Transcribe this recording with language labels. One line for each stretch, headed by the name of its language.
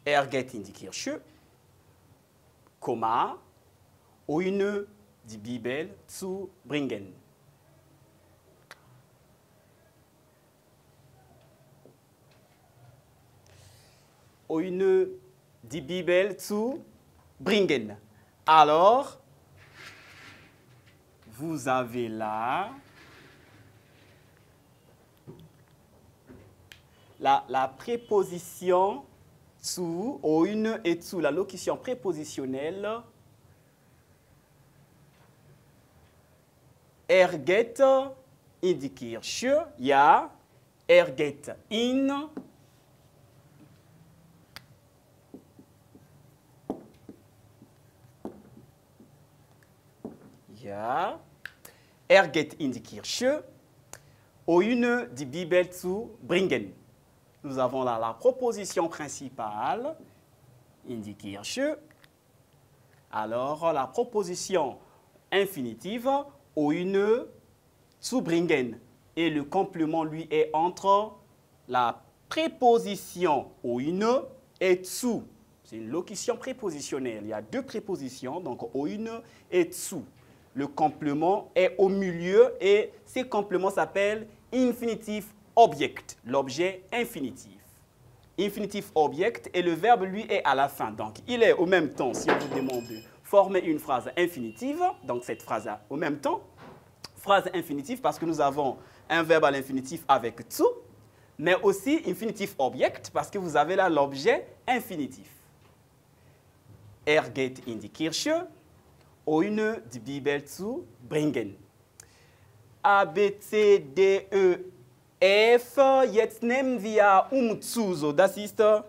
German: Geht in die Kirche, Komma, ohne die Bibel zu bringen. Ohne die Bibel zu bringen.
French: Alors, vous avez là la préposition zu, ohne et zu, la locution prépositionnelle.
German: Geht in die Kirche, ja. Geht in. Ja. Geht in die Kirche, ohne die Bibel zu bringen.
French: Nous avons là la proposition principale,
German: in die Kirche.
French: Alors, la proposition infinitive,
German: ohne zu bringen.
French: Et le complément, lui, est entre la préposition ohne et zu. C'est une locution prépositionnelle. Il y a deux prépositions, donc ohne et zu. Le complément est au milieu et ce complément s'appelle infinitif. Object, l'objet infinitif. Infinitif object, et le verbe, lui, est à la fin. Donc, il est au même temps, si on vous demande de former une phrase infinitive, donc cette phrase au même temps, phrase infinitive parce que nous avons un verbe à l'infinitif avec tu, mais aussi infinitif object parce que vous avez là l'objet infinitif.
German: Er geht in die Kirche, ohne die Bibel zu bringen. A, B, C, D, E, F, jetzt nehmen wir zu, so das ist...